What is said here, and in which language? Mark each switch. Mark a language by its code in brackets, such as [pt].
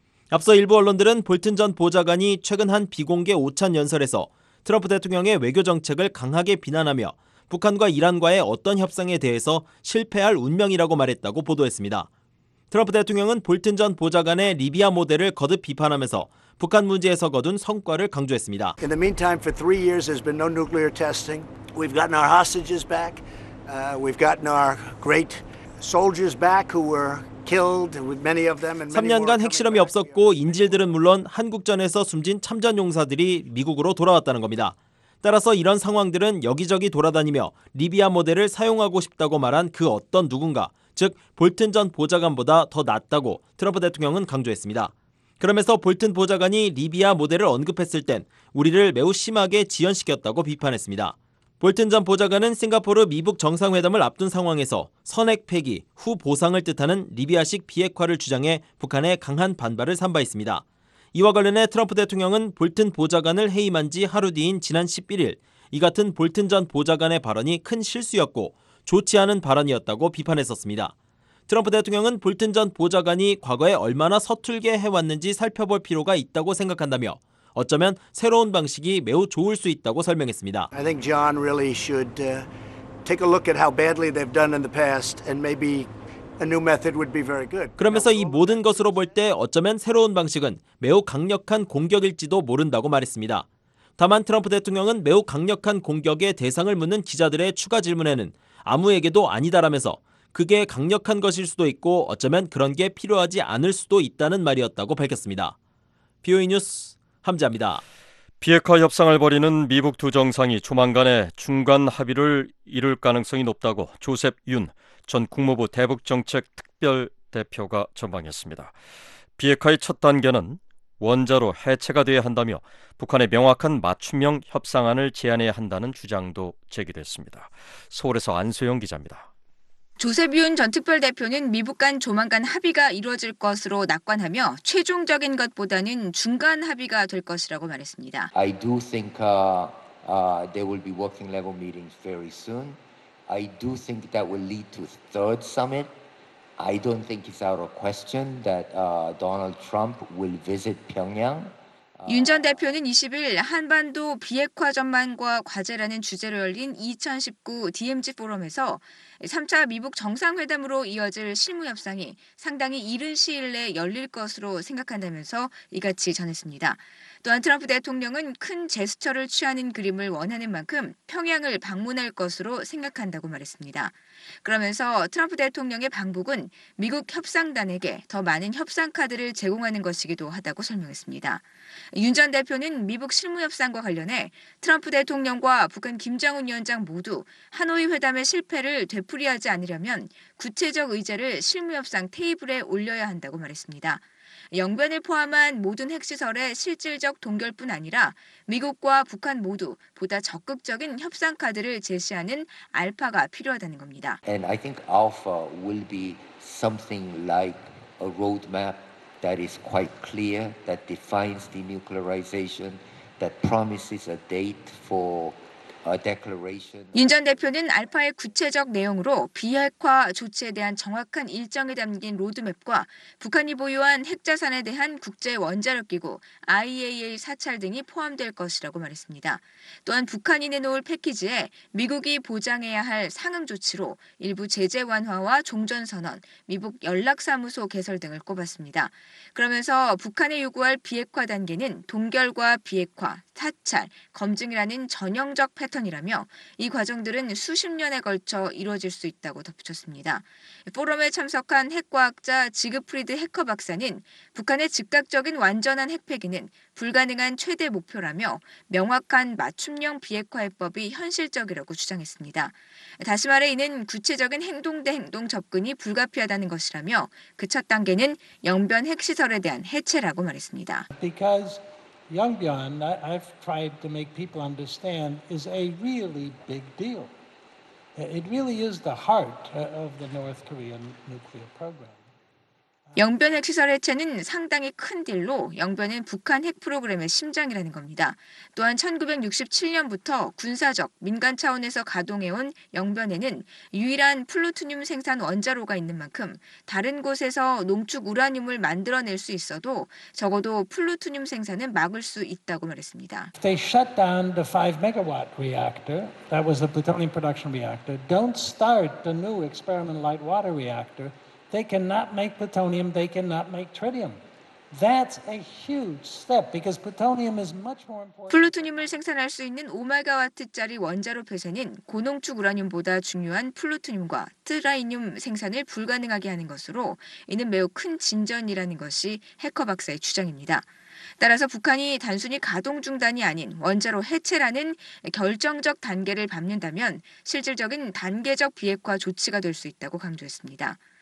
[ko] 앞서 일부 언론들은 볼튼 전 보좌관이 최근 한 비공개 오찬 연설에서 트럼프 대통령의 외교 정책을 강하게 비난하며 북한과 이란과의 어떤 협상에 대해서 실패할 운명이라고 말했다고 보도했습니다. 트럼프 대통령은 볼튼 전 보좌관의 리비아 모델을 거듭 비판하면서 북한 문제에서 거둔 성과를 강조했습니다. [en] In the meantime, for three years, there's been no nuclear testing. We've gotten our hostages back. We've gotten our great soldiers back who were killed, with many of them. [ko] 3년간 핵실험이 없었고 인질들은 물론 한국전에서 숨진 참전용사들이 미국으로 돌아왔다는 겁니다. 따라서 이런 상황들은 여기저기 돌아다니며 리비아 모델을 사용하고 싶다고 말한 그 어떤 누군가, 즉 볼튼 전 보좌관보다 더 낫다고 트럼프 대통령은 강조했습니다. 그러면서 볼튼 보좌관이 리비아 모델을 언급했을 땐 우리를 매우 심하게 지연시켰다고 비판했습니다. 볼튼 전 보좌관은 싱가포르 미북 정상회담을 앞둔 상황에서 선핵 폐기, 후 보상을 뜻하는 리비아식 비핵화를 주장해 북한의 강한 반발을 산바 있습니다. 이와 관련해 트럼프 대통령은 볼튼 보좌관을 해임한 지 하루 뒤인 지난 11일 이 같은 볼튼 전 보좌관의 발언이 큰 실수였고 좋지 않은 발언이었다고 비판했었습니다. 트럼프 대통령은 볼튼 전 보좌관이 과거에 얼마나 서툴게 해왔는지 살펴볼 필요가 있다고 생각한다며 어쩌면 새로운 방식이 매우 좋을 수 있다고 설명했습니다. [en] I think John really should take a look at how badly they've done in the past and maybe a new method would be very good. [ko] 그러면서 이 모든 것으로 볼 때 어쩌면 새로운 방식은 매우 강력한 공격일지도 모른다고 말했습니다. 다만 트럼프 대통령은 매우 강력한 공격의 대상을 묻는 기자들의 추가 질문에는 아무에게도 아니다라면서 그게 강력한 것일 수도 있고 어쩌면 그런 게 필요하지 않을 수도 있다는 말이었다고 밝혔습니다. BOA 뉴스 함지아입니다. 비핵화 협상을 벌이는 미북 두 정상이 조만간에 중간 합의를 이룰 가능성이 높다고 조셉 윤 전 국무부 대북정책특별대표가 전망했습니다. 비핵화의 첫 단계는 원자로 해체가 돼야 한다며 북한의 명확한 맞춤형 협상안을 제안해야 한다는 주장도 제기됐습니다. 서울에서 안소영 기자입니다. 조셉 윤 전 특별대표는 미북 간 조만간 합의가 이루어질 것으로 낙관하며 최종적인 것보다는 중간 합의가 될 것이라고 말했습니다. [en] I do think there will be working level meetings very soon. I do think that will lead to third summit. I don't think it's out of question that Donald Trump will visit Pyongyang. [ko] 윤 전 대표는 20일 한반도 비핵화 전망과 과제라는 주제로 열린 2019 DMZ 포럼에서 3차 미북 정상회담으로 이어질 실무 협상이 상당히 이른 시일 내에 열릴 것으로 생각한다면서 이같이 전했습니다. 또한 트럼프 대통령은 큰 제스처를 취하는 그림을 원하는 만큼 평양을 방문할 것으로 생각한다고 말했습니다. 그러면서 트럼프 대통령의 방북은 미국 협상단에게 더 많은 협상카드를 제공하는 것이기도 하다고 설명했습니다. 윤 전 대표는 미북 실무협상과 관련해 트럼프 대통령과 북한 김정은 위원장 모두 하노이 회담의 실패를 되풀이하지 않으려면 구체적 의제를 실무협상 테이블에 올려야 한다고 말했습니다. 영변을 포함한 모든 핵시설의 실질적 동결뿐 아니라 미국과 북한 모두 보다 적극적인 협상 카드를 제시하는 알파가 필요하다는 겁니다. [en] And I think alpha will be something like a roadmap that is quite clear, that defines denuclearization, that promises a date for a declaration. [ko] 윤 전 대표는 알파의 구체적 내용으로 비핵화 조치에 대한 정확한 일정이 담긴 로드맵과 북한이 보유한 핵자산에 대한 국제 원자력 기구 IAEA 사찰 등이 포함될 것이라고 말했습니다. 또한 북한이 내놓을 패키지에 미국이 보장해야 할 상응 조치로 일부 제재 완화와 종전 선언, 미북 연락 사무소 개설 등을 꼽았습니다. 그러면서 북한에 요구할 비핵화 단계는 동결과 비핵화, 사찰, 검증이라는 전형적 패턴이라며 이 과정들은 수십 년에 걸쳐 이루어질 수 있다고 덧붙였습니다. 포럼에 참석한 핵과학자 지그프리드 해커 박사는 북한의 즉각적인 완전한 핵폐기는 불가능한 최대 목표라며 명확한 맞춤형 비핵화 해법이 현실적이라고 주장했습니다. 다시 말해 이는 구체적인 행동 대 행동 접근이 불가피하다는 것이라며 그 첫 단계는 영변 핵시설에 대한 해체라고 말했습니다. [en] Because Yongbyon, I've tried to make people understand, is a really big deal. It really is the heart of the North Korean nuclear program. [ko] 영변 핵시설 해체는 상당히 큰 딜로 영변은 북한 핵 프로그램의 심장이라는 겁니다. 또한 1967년부터 군사적, 민간 차원에서 가동해온 영변에는 유일한 플루토늄 생산 원자로가 있는 만큼 다른 곳에서 농축 우라늄을 만들어낼 수 있어도 적어도 플루토늄 생산은 막을 수 있다고 말했습니다. [en] If they shut down the 5-megawatt reactor, that was the plutonium production reactor, don't start the new experimental light water reactor, they cannot make plutonium, they cannot make tritium. That's a huge step because plutonium is much more important. [ko] 플루토늄을 생산할 수 있는 5메가와트짜리 원자로 폐쇄는 고농축 우라늄보다 중요한 플루토늄과 트라이늄 생산을 불가능하게 하는 것으로 이는 매우 큰 진전이라는 것이 해커 박사의 주장입니다. 따라서 북한이 단순히 가동 중단이 아닌 원자로 해체라는 결정적 단계를 밟는다면 실질적인 단계적 비핵화 조치가 될 수 있다고 강조했습니다.